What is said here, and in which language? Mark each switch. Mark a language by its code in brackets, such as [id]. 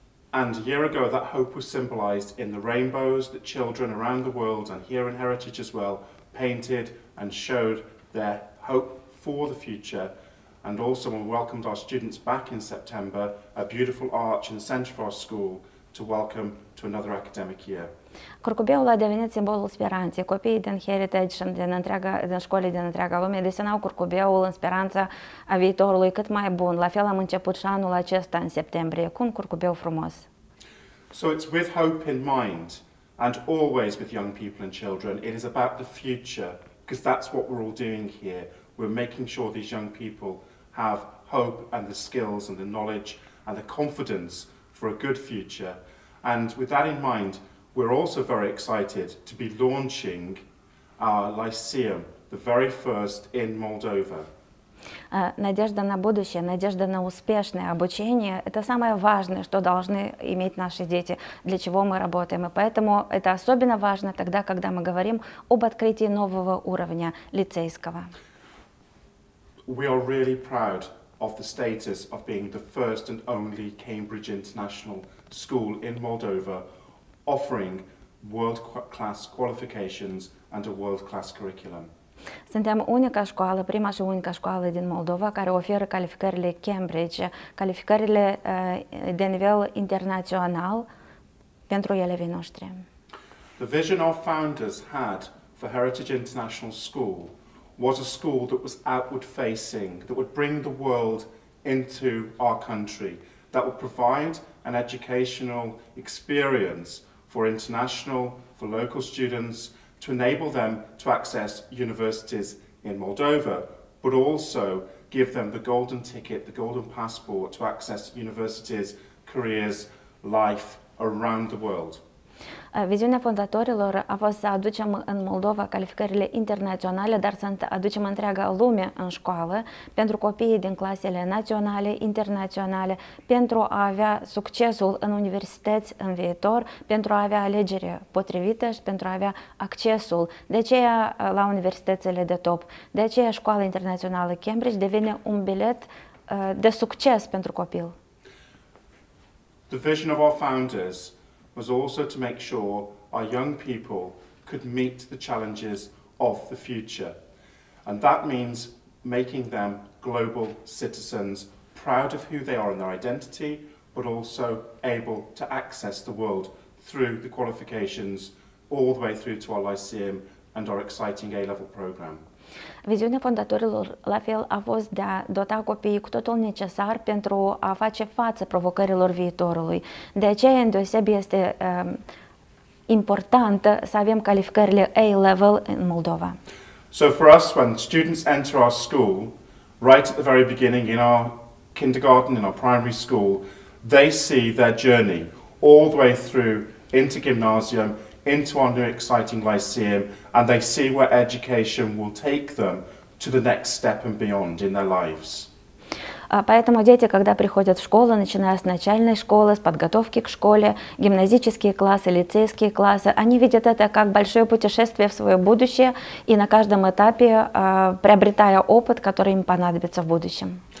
[en] And a year ago, that hope was symbolized in the rainbows that children around the world and here in Heritage as well painted and showed their hope for the future. And also we welcomed our students back in September, a beautiful arch in the center of our school to welcome to another academic year. [ro] Curcubeul a devenit simbolul speranței. Copiii din Heritage și din școlii din întreaga lume desenau curcubeul în speranța a viitorului cât mai bun. La fel am început și anul acesta în septembrie, cu un curcubeu frumos. [en] So it's with hope in mind and always with young people and children. It is about the future, because that's what we're all doing here. We're making sure these young people have hope and the skills and the knowledge and the confidence for a good future. And with that in mind, we're also very excited to be launching our Lyceum, the very first in Moldova. [ru] Надежда на будущее, надежда на успешное обучение – это самое важное, что должны иметь наши дети, для чего мы работаем. И поэтому это особенно важно тогда, когда мы говорим об открытии нового уровня лицейского. [en] We are really proud of the status of being the first and only Cambridge International School in Moldova, offering world-class qualifications and a world-class curriculum. [ro] Suntem unica școală, prima și unica școală din Moldova care oferă calificările Cambridge, calificările de nivel internațional pentru elevii noștri. [en] The vision our founders had for Heritage International School was a school that was outward-facing, that would bring the world into our country, that would provide an educational experience for international, for local students, to enable them to access universities in Moldova, but also give them the golden ticket, the golden passport to access universities, careers, life around the world. [ro] Viziunea fondatorilor a fost să aducem în Moldova calificările internaționale, dar să aducem întreaga lume în școală pentru copiii din clasele naționale, internaționale, pentru a avea succesul în universități în viitor, pentru a avea alegerile potrivite și pentru a avea accesul. De aceea la universitățile de top, de aceea Școala Internațională Cambridge devine un bilet de succes pentru copil. [en] The vision of our founders was also to make sure our young people could meet the challenges of the future. And that means making them global citizens, proud of who they are and their identity, but also able to access the world through the qualifications all the way through to our Lyceum and our exciting A-level program. [ro] Viziunea fondatorilor la fel a fost de a dota copiii cu totul necesar pentru a face față provocărilor viitorului. De aceea, în deosebi, este important să avem calificările A-level în Moldova. [en] So for us, when students enter our school, right at the very beginning, in our kindergarten, in our primary school, they see their journey all the way through into gymnasium, into our new exciting Lyceum, and they see where education will take them to the next step and beyond in their lives. [ru] Поэтому дети, когда приходят в школу, начиная с начальной школы, с подготовки к школе, гимназические классы, лицейские классы, они видят это как большое путешествие в свое будущее и на каждом этапе приобретая опыт, который им понадобится в будущем.